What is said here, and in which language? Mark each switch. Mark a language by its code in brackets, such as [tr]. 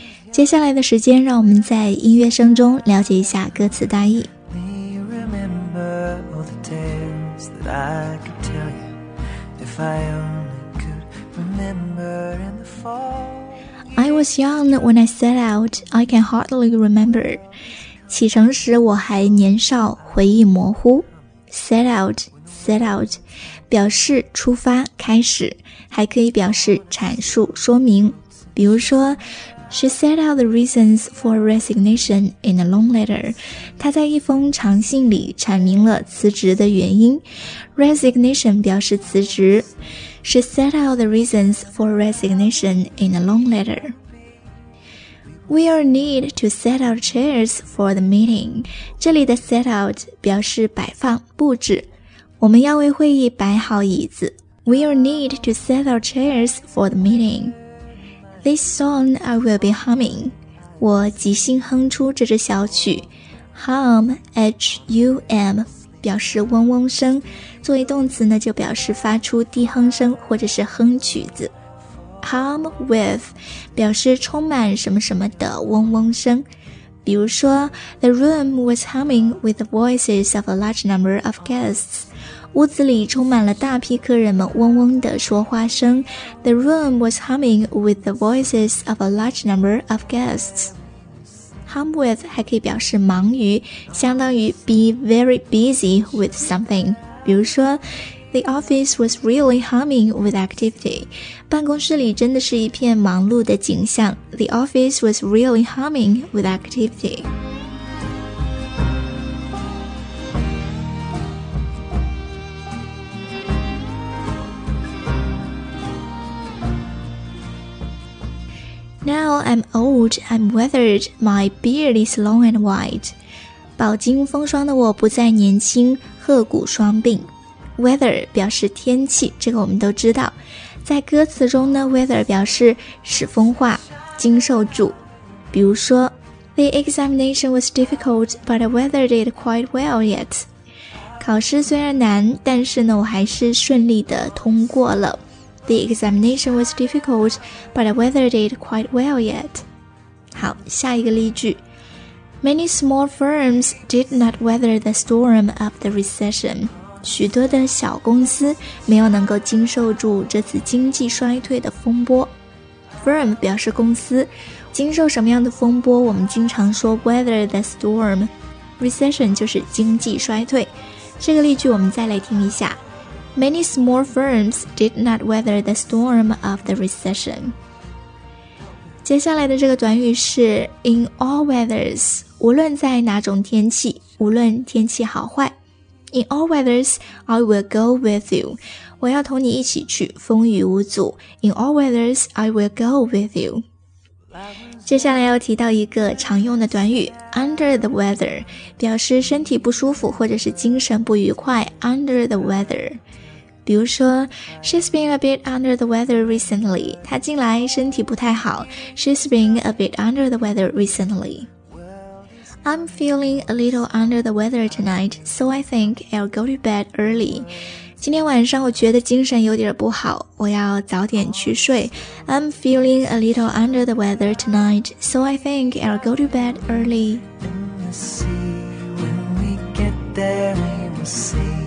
[zh] 接下来的时间让我们在音乐声中了解一下歌词大意。 [en] We remember all the tales that I could tell you if I only could remember in the fall. I was young when I set out, I can hardly remember. [zh] 启程时我还年少，回忆模糊。 set out 表示出发开始，还可以表示阐述说明。比如说 [en] She set out the reasons for resignation in a long letter. [zh] 她在一封长信里阐明了辞职的原因。 [en] Resignation [zh] 表示辞职。 [en] She set out the reasons for resignation in a long letter. We'll need to set out chairs for the meeting. [zh] 这里的 set out 表示摆放、布置。我们要为会议摆好椅子。 [en] We'll need to set out chairs for the meeting. This song I will be humming. [zh] 我即兴哼出这支小曲。 Hum, H-U-M, 表示嗡嗡声。作为动词呢，就表示发出低哼声或者是哼曲子。 Hum with, 表示充满什么什么的嗡嗡声。比如说 [en] ,The room was humming with the voices of a large number of guests. [zh] 屋子里充满了大批客人们嗡嗡的说话声。 [en] The room was humming with the voices of a large number of guests. Hum with [zh] 还可以表示忙于，相当于 [en] be very busy with something. [zh] 比如说 [en] ,The office was really humming with activity. [zh] 办公室里真的是一片忙碌的景象。 [en] The office was really humming with activity. Now I'm old, I'm weathered, my beard is long and white. [zh] 饱经风霜的我不再年轻，鹤骨霜鬓。 Weather 表示天气，这个我们都知道。在歌词中呢 ,weather 表示使风化，经受住。比如说 [en] ,The examination was difficult, but I weathered it quite well yet. [zh] 考试虽然难，但是呢我还是顺利的通过了。 [en] The examination was difficult, but I weathered it quite well yet. [zh] 好，下一个例句。 [en] Many small firms did not weather the storm of the recession. [zh] 许多的小公司没有能够经受住这次经济衰退的风波。 Firm 表示公司，经受什么样的风波，我们经常说 weather the storm. Recession 就是经济衰退。这个例句我们再来听一下。 [en] Many small firms did not weather the storm of the recession. [zh] 接下来的这个短语是 in all weathers, 无论在哪种天气，无论天气好坏。 [en] In all weathers, I will go with you. [zh] 我要同你一起去，风雨无阻。 [en] In all weathers, I will go with you. [zh] 接下来要提到一个常用的短语 under the weather, 表示身体不舒服或者是精神不愉快 under the weather. 比如说 [en] She's been a bit under the weather recently. [zh] 她近来身体不太好。 [en] She's been a bit under the weather recently. I'm feeling a little under the weather tonight, so I think I'll go to bed early. [zh] 今天晚上我觉得精神有点不好，我要早点去睡。 [en] I'm feeling a little under the weather tonight, so I think I'll go to bed early. When we get there, we'll see.